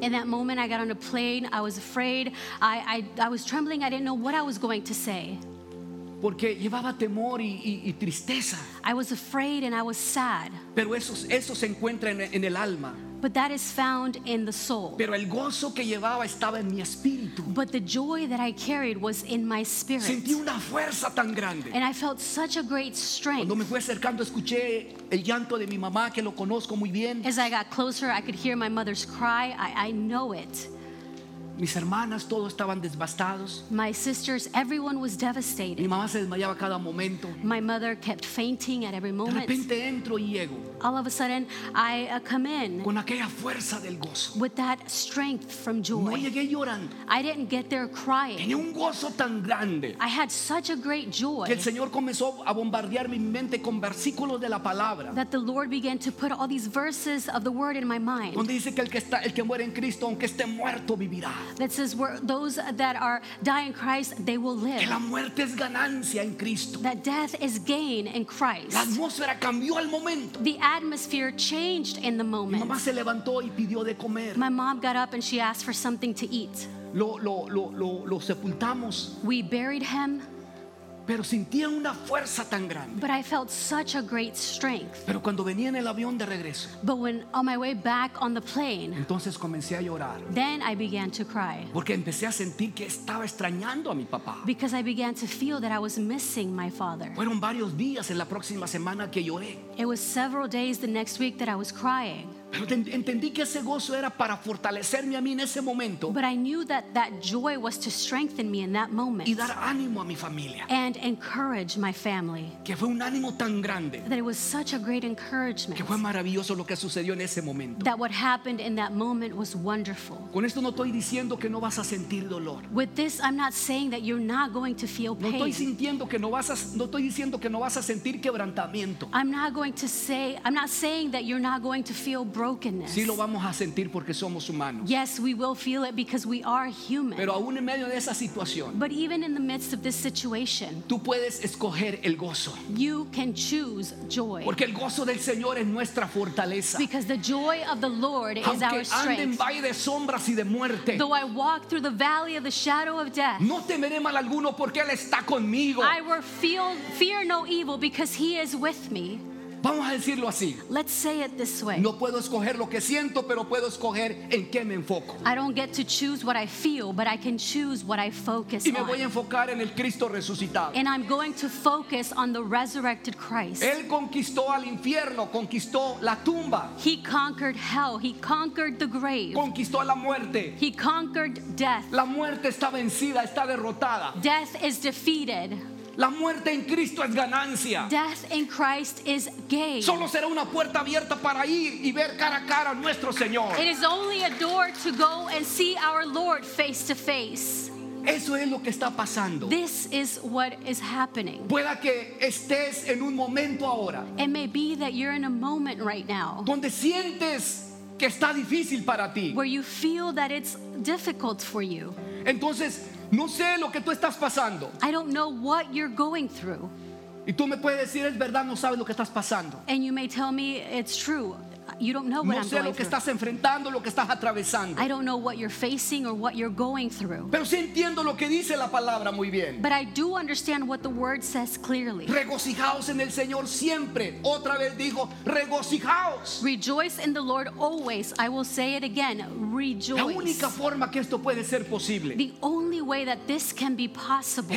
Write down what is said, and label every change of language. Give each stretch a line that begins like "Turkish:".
English: In that moment I got on a plane, I was afraid. I was trembling, I didn't know what I was going to say.
Spanish: Porque llevaba temor y tristeza.
English: I was afraid and I was sad.
Spanish: Pero eso se encuentra en el alma.
English: But that is found in the soul.
Spanish: Pero el gozo que llevaba estaba en mi espíritu.
English: But the joy that I carried was in my spirit.
Spanish: Sentí una fuerza tan grande.
English: And I felt such a great strength.
Spanish: Cuando me fui acercando, escuché el llanto de mi mamá, que lo conozco muy bien.
English: As I got closer, I could hear my mother's cry. I know it.
Spanish: Mis hermanas, todos estaban devastados.
English: My sisters, everyone was devastated.
Spanish: Mi mamá se desmayaba cada momento.
English: My mother kept fainting at every moment.
Spanish: De repente entro y llego.
English: All of a sudden, I come in.
Spanish: Con aquella fuerza del gozo.
English: With that strength from joy.
Spanish: No llegué llorando.
English: I didn't get there crying.
Spanish: Tenía un gozo tan grande.
English: I had such a great joy.
Spanish: Que el Señor comenzó a bombardear mi mente con versículos de la palabra.
English: That the Lord began to put all these verses of the word in my mind.
Spanish: Donde dice que el que muere en Cristo, aunque esté muerto, vivirá.
English: That says where those that are die in Christ, they will live.
Spanish: Que la muerte es ganancia en Cristo.
English: That death is gain in Christ.
Spanish: La atmósfera cambió al momento.
English: The atmosphere changed in the moment.
Spanish: Mi mamá se levantó y pidió de comer.
English: My mom got up and she asked for something to eat.
Spanish: Lo sepultamos.
English: We buried him.
Spanish: Pero sentía una fuerza tan grande.
English: But I felt such a great strength.
Spanish: Pero cuando venía en el avión de regreso,
English: but when on my way back on the plane,
Spanish: entonces comencé a llorar.
English: Then I began to cry.
Spanish: Porque empecé a sentir que estaba extrañando a mi papá.
English: Because I began to feel that I was missing my father.
Spanish: Fueron varios días en la próxima semana que lloré.
English: It was several days the next week that I was crying.
Spanish: Pero entendí que ese gozo era para fortalecerme a mí en ese momento.
English: But I knew that that joy was to strengthen me in that moment.
Spanish: Y dar ánimo a mi familia.
English: And encourage my family.
Spanish: Que fue un ánimo tan grande.
English: That it was such a great encouragement.
Spanish: Que fue maravilloso lo que sucedió en ese momento.
English: That what happened in that moment was wonderful.
Spanish: Con esto no estoy diciendo que no vas a sentir dolor.
English: With this, I'm not saying that you're not going to feel pain.
Spanish: No estoy diciendo que no vas a sentir quebrantamiento.
English: I'm not saying that you're not going to feel brokenness.
Spanish: Sí lo vamos a sentir porque somos humanos.
English: Yes, we will feel it because we are human.
Spanish: Pero aún en medio de esa situación,
English: but even in the midst of this situation,
Spanish: tú puedes escoger el gozo.
English: You can choose joy.
Spanish: Porque el gozo del Señor es nuestra fortaleza.
English: Because the joy of the Lord is our strength.
Spanish: Aunque ande en valle de sombras y de muerte,
English: though I walk through the valley of the shadow of death,
Spanish: no temeré mal alguno porque Él está conmigo.
English: I will fear no evil because He is with me.
Spanish: Vamos a decirlo así.
English: Let's say it this way.
Spanish: No puedo escoger lo que siento, pero puedo escoger en qué me enfoco.
English: I don't get to choose what I feel, but I can choose what I focus on.
Spanish: Y me voy a enfocar en el Cristo resucitado.
English: And I'm going to focus on the resurrected Christ.
Spanish: Él conquistó al infierno, conquistó la tumba.
English: He conquered hell, he conquered the grave.
Spanish: Conquistó a la muerte.
English: He conquered death.
Spanish: La muerte está vencida, está derrotada.
English: Death is defeated.
Spanish: La muerte en Cristo es ganancia.
English: Death in Christ is gain.
Spanish: Solo será una puerta abierta para ir y ver cara a cara a nuestro Señor.
English: It is only a door to go and see our Lord face to face.
Spanish: Eso es lo que está pasando.
English: This is what is happening.
Spanish: Pueda que estés en un momento ahora.
English: It may be that you're in a moment right now.
Spanish: Donde sientes que está difícil para ti.
English: Where you feel that it's difficult for you.
Spanish: Entonces, no sé lo que tú estás pasando.
English: I don't know what you're going through.
Spanish: Y tú me puedes decir, es verdad, no sabes lo que estás pasando.
English: And you may tell me it's true. You don't know what
Spanish: no sé
English: I'm going
Spanish: lo que
English: through.
Spanish: Estás enfrentando, lo que estás atravesando.
English: I don't know what you're facing or what you're going through.
Spanish: Pero sí entiendo lo que dice la palabra muy bien.
English: But I do understand what the word says clearly.
Spanish: Regocijaos en el Señor siempre. Otra vez digo, regocijaos.
English: Rejoice in the Lord always. I will say it again, rejoice.
Spanish: La única forma que esto puede ser posible.
English: The only way that this can be possible.